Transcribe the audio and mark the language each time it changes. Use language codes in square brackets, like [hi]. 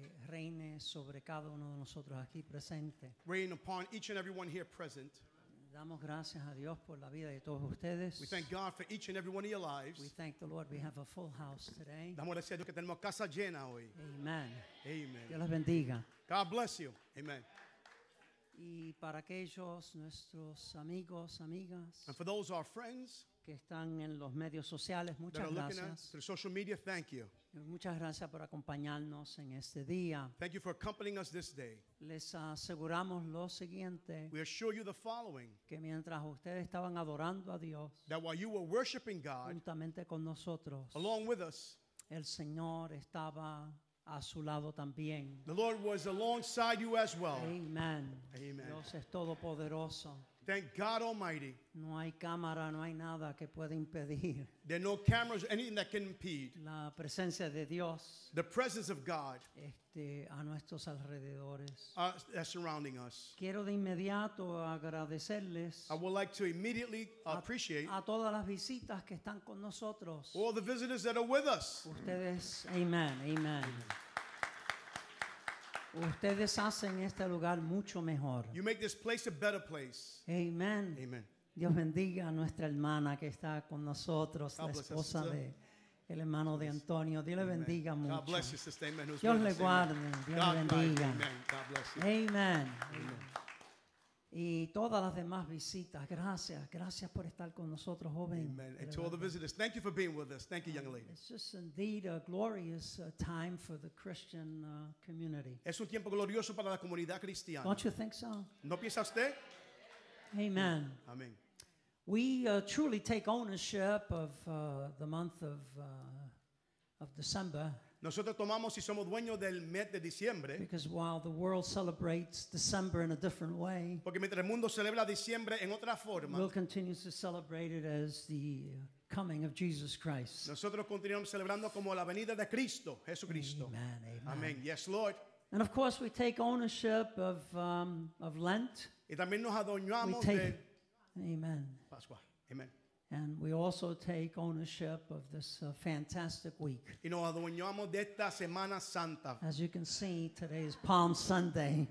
[es] Reine sobre cada uno de nosotros aquí presente. [en] Reign upon each and everyone here present. [es] Damos gracias a Dios por la vida de todos ustedes. [en] We thank God for each and every one of your lives. We thank the Lord we have a full house today. [es] Damos gracias a Dios que tenemos casa llena hoy. Amen. Amen. Dios los bendiga. [en] God bless you. Amen. [es] Y para aquellos nuestros amigos, amigas. [en] And for those our friends. [es] Que están en los medios sociales, muchas gracias. [en] That are looking at through social media, thank you. [es] Muchas gracias por acompañarnos en este día. [en] Thank you for accompanying us this day. [es] Les aseguramos lo siguiente. [en] We assure you the following. [es] Que mientras ustedes estaban adorando a Dios. [en] That while you were worshiping God. [es] Juntamente con nosotros. [en] Along with us. [es] El Señor estaba a su lado también. [en] The Lord was alongside you as well. Amen. Amen. [es] Dios es todopoderoso. [en] Thank God Almighty. [es] No hay cámara, no hay nada que pueda impedir. [en] There are no cameras, anything that can impede. [es] La presencia de Dios. [en] The presence of God. [es] A nuestros alrededores. [en] That's surrounding us. [es] Quiero de inmediato agradecerles. [en] I would like to immediately appreciate. [es] A todas las visitas que están con nosotros. [en] All the visitors that are with us. [es] Ustedes, amen, amen. Ustedes hacen este lugar mucho mejor. [en] You make this place a better place. Amen. Amen. [es] Dios bendiga a nuestra hermana que está con nosotros, la esposa de el hermano de Antonio. Dios le bendiga mucho. [en] God bless you, sister. Amen. [es] Dios le guarde. Dios le bendiga. [en] Amen. God bless you. Amen. Amen. [es] Y todas las demás visitas, gracias, gracias por estar con nosotros, joven. Amen. [en] And to all the visitors, thank you for being with us. Thank you, young lady. It's just indeed a glorious time for the Christian community. [es] Es un tiempo glorioso para la comunidad cristiana. [en] Don't you think so? [es] ¿No piensa usted? Amen. Amen. [en] We truly take ownership of the month of December. [es] Nosotros tomamos y somos dueños del mes de diciembre. [en] Because while the world celebrates December in a different way, [es] porque mientras el mundo celebra diciembre en otra forma, [en] we'll continue to celebrate it as the coming of Jesus Christ. [es] Nosotros continuamos celebrando como la venida de Cristo, Jesucristo. Amen, amen. [en] Amen. Yes, Lord. And of course, we take ownership of Lent. [es] Y también nos adueñamos de amen. Pascua. Amen. [en] And we also take ownership of this fantastic week. [es] Y nos adueñamos de esta Semana Santa. [en] As you can see, today is Palm Sunday.